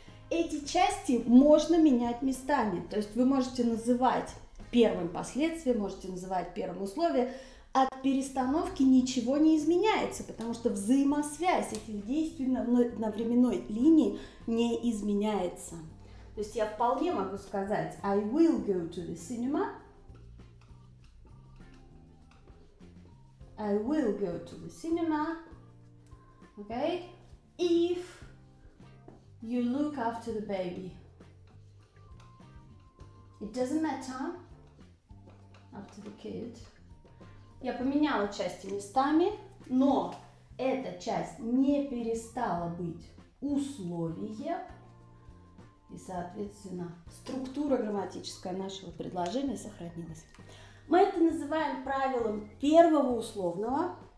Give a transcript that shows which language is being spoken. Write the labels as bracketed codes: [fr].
[ru] Эти части можно менять местами. То есть вы можете называть первым последствием, можете называть первым условием. От перестановки ничего не изменяется, потому что взаимосвязь этих действий на временной линии не изменяется. То есть я вполне могу сказать [en] I will go to the cinema. I will go to the cinema, okay? If you look after the baby, it doesn't matter after the kid. [ru] Я поменяла части местами, но эта часть не перестала быть условием, и, соответственно, структура грамматическая нашего предложения сохранилась. Мы это называем правилом первого условного.